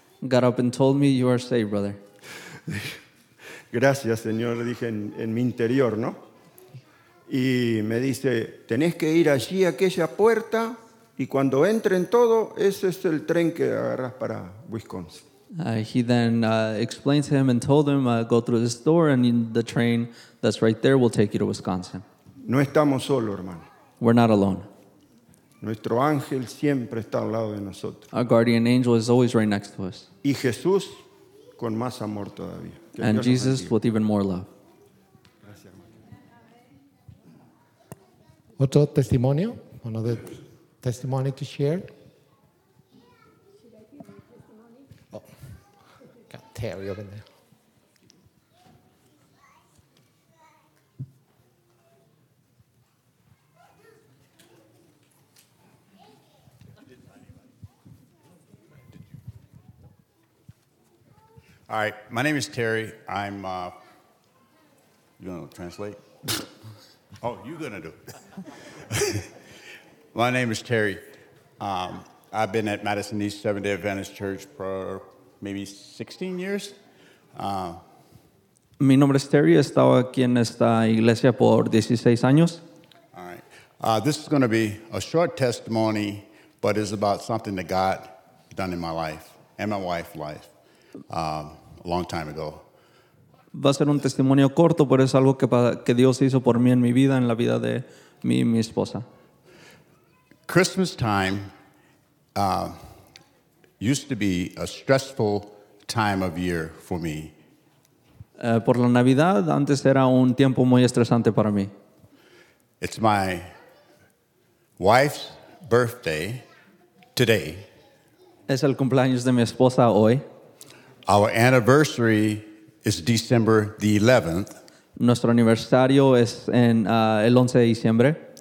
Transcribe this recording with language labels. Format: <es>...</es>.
<en>Got up and told me, you are saved, brother.</en> <es>Gracias, Señor, dije en mi interior, ¿no? Y me dice, tenés que ir allí a aquella puerta y cuando entren todo, ese es el tren que agarras para Wisconsin.</es> <en>He then explained to him and told him, go through this door and the train that's right there will take you to Wisconsin.</en> <es>No estamos solo, hermano.</es> <en>We're not alone.</en> <es>Nuestro ángel siempre está al lado de nosotros.</es> <en>Our guardian angel is always right next to us.</en> <es>Y Jesús con más amor todavía.</es> <en>And Jesus with even more love.</en> <es>Gracias, hermano. Otro testimonio,</es> <en>another testimony to share. Terry over there. All right, my name is Terry. I'm you gonna translate? Oh, you gonna do it. My name is Terry. I've been at Madison East Seventh-day Adventist Church for maybe 16 years.</en> <es>Mi nombre es Terry. He estado aquí en esta iglesia por 16 años.</es> <en>All right. This is going to be a short testimony, but it's about something that God done in my life and my wife's life a long time ago.</en> <es>Va a ser un testimonio corto, pero es algo que Dios hizo por mí en mi vida, en la vida de mí y mi esposa.</es> <en>Christmas time. Used to be a stressful time of year for me.</en> <es>Por la Navidad, antes era un tiempo muy estresante para mí.</es> <en>It's my wife's birthday today.</en> <es>Es el cumpleaños de mi esposa hoy.</es> <en>Our anniversary is December the 11th.</en> <es>Nuestro aniversario es en el 11 de diciembre.</es>